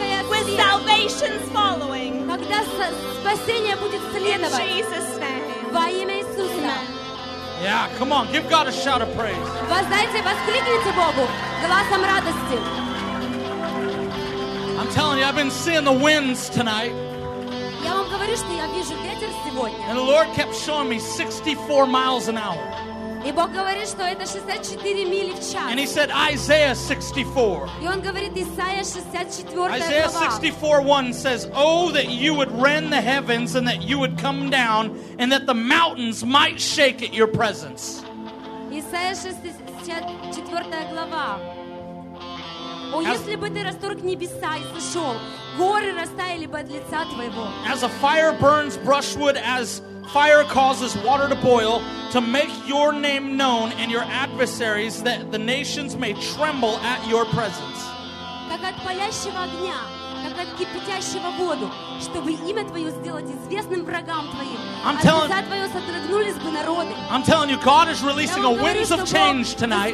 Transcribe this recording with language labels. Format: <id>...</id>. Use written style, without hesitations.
<en>With salvation's following.</en> <ru>Когда спасение будет следовать.</ru> <en>In Jesus' name.</en> <ru>Во имя Иисуса.</ru> <en>Yeah, come on, give God a shout of praise.</en> <ru>Воздайте, воскликните Богу голосом радости.</ru> <en>I'm telling you, I've been seeing the winds tonight.</en> <ru>Я вам говорю, что я вижу ветер сегодня.</ru> <en>And the Lord kept showing me 64 miles an hour.</en> <ru>И Бог говорит, что это 64 мили в час.</ru> <en>And he said Isaiah 64.</en> <ru>И он говорит Исаия 64.</ru> <en>Isaiah 64:1 says, "Oh that you would rend the heavens and that you would come down and that the mountains might shake at your presence."</en> <ru>Исаия 64 глава. О, если бы ты расторг небеса и сошел, горы растаяли бы от лица твоего.</ru> <en>As a fire burns brushwood, as fire causes water to boil, to make your name known and your adversaries, that the nations may tremble at your presence.</en> <ru>Как от палящего огня, как как кипятящего воду, чтобы имя Твое сделать известным врагам Твоим.</ru> <en>I'm telling,</en> <ru>от лица Твоего содрогнулись бы народы.</ru> <en>I'm telling you, God is releasing a winds of change tonight.</en>